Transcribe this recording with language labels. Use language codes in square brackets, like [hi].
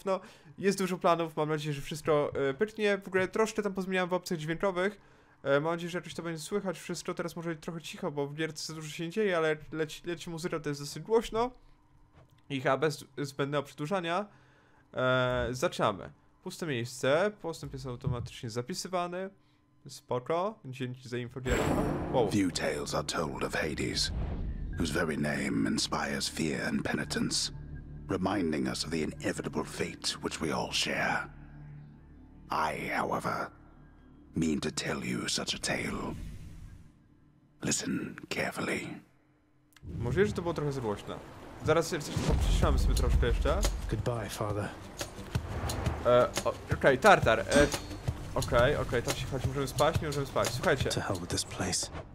[pl] No, jest dużo planów, mam nadzieję, że wszystko pyknie, w ogóle troszkę tam pozmieniałem w opcjach dźwiękowych, mam nadzieję, że jakoś to będzie słychać wszystko, teraz może być trochę cicho, bo w gierce dużo się nie dzieje, ale leci muzyka, to jest dosyć głośno i chyba bez zbędnego przedłużania. Zaczynamy. Puste miejsce, postęp jest automatycznie zapisywany. Spoko, dzięki za info. Wow. [en] Few tales are told of Hades, whose very name inspires fear and penitence, reminding us of the inevitable fate which we all share. I, however, mean to tell you such a tale. Listen carefully. [pl] Może jest to było trochę zgłośne. Zaraz przyciszamy sobie troszkę jeszcze. [en] Goodbye, father. [pl] Okej, Tartar. Okej, tam się chodzi. Możemy spać? Nie możemy spać. Słuchajcie. [en] To hell with this place.